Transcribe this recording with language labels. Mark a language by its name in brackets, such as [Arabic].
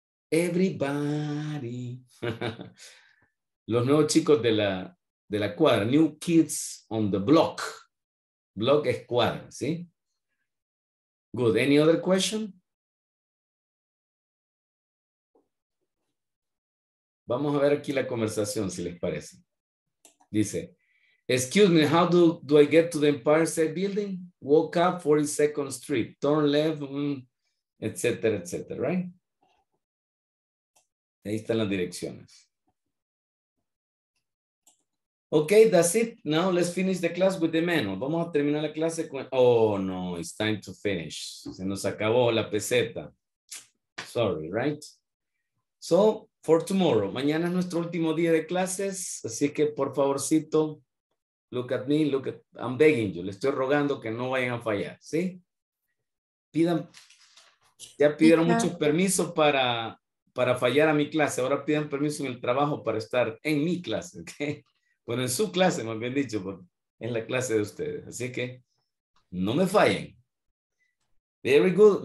[Spanish] Everybody. Los nuevos chicos de la cuadra. [English] New Kids on the Block. [Spanish] Block es cuadra, ¿sí? [English] Good. Any other question? [Spanish] Vamos a ver aquí la conversación, si les parece. Dice... [English] Excuse me, how do I get to the Empire State Building? Walk up 42nd Street, turn left, etc., etc., right? [Spanish] Ahí están las direcciones. [English] Okay, that's it. Now let's finish the class with the manual. [Spanish] Vamos a terminar la clase con... [English] Oh, no, it's time to finish. [Spanish] Se nos acabó la peseta. [English] Sorry, right? So, for tomorrow. [Spanish] Mañana es nuestro último día de clases, así que por favorcito... [English] Look at me, look at, I'm begging you. [Spanish] Le estoy rogando que no vayan a fallar, ¿sí? Pidan, ya pidieron muchos permisos para fallar a mi clase. Ahora pidan permiso en el trabajo para estar en mi clase, ¿ok? Bueno, en su clase, más bien dicho, en la clase de ustedes. Así que, no me fallen. [English] Very good.